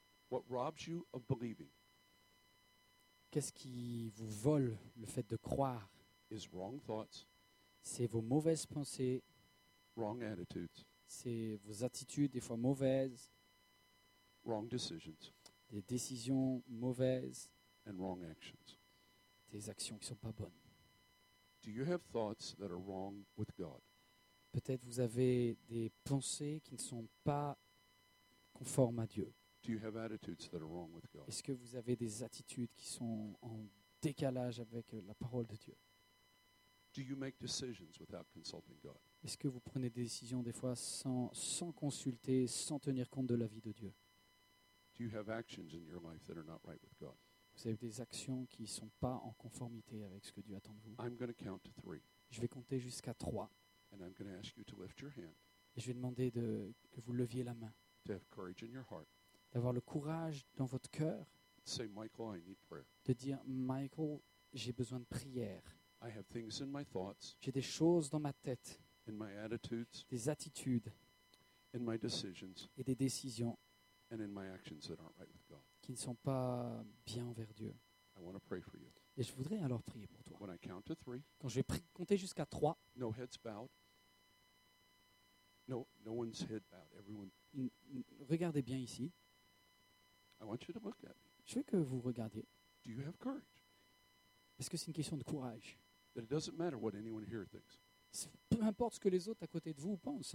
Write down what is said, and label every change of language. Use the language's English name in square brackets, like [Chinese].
[English] What robs you of believing? [French] Qu'est-ce qui vous vole le fait de croire? [English] Is wrong thoughts. [French] C'est vos mauvaises pensées. [English] Wrong attitudes. [French] C'est vos attitudes des fois mauvaises. [English] Wrong decisions. [French] Des décisions mauvaises. [English] And wrong actions. [French] Des actions qui sont pas bonnes. [English] Do you have thoughts that are wrong with God? [French] Peut-être vous avez des pensées qui ne sont pas conformes à Dieu. [English] Do you have attitudes that are wrong with God? [French] Est-ce que vous avez des attitudes qui sont en décalage avec la parole de Dieu? [English] Do you make decisions without consulting God? [French] Est-ce que vous prenez des décisions des fois sans consulter, sans tenir compte de l'avis de Dieu? [English] Do you have actions in your life that are not right with God? [French] Vous avez des actions qui ne sont pas en conformité avec ce que Dieu attend de vous. [English] I'm going to count to three. [French] Je vais compter jusqu'à trois. [English] And I'm going to ask you to lift your hand. [French] Et je vais demander que vous leviez la main. [English] To have courage in your heart. [French] D'avoir le courage dans votre cœur. [English] Say, Michael, I need prayer. [French] De dire, Michael, j'ai besoin de prière. [English] I have things in my thoughts. [French] J'ai des choses dans ma tête. [English] In my attitudes. [French] Des attitudes. [English] In my decisions. [French] Et des décisions. [English] And in my actions that aren't right with God. [French] Qui ne sont pas bien envers Dieu. [English] I want to pray for you. [French] Et je voudrais alors prier pour toi. [English] When I count to three, [French] quand je vais compter jusqu'à trois. [English] No heads bowed. No one's head bowed. Everyone. [French] Regardez bien ici. [English] I want you to look at me. [French] Je veux que vous regardiez. [English] Do you have courage? [French] Parce que c'est une question de courage. [English] That it doesn't matter what anyone here thinks. [French] Peu importe ce que les autres à côté de vous pensent.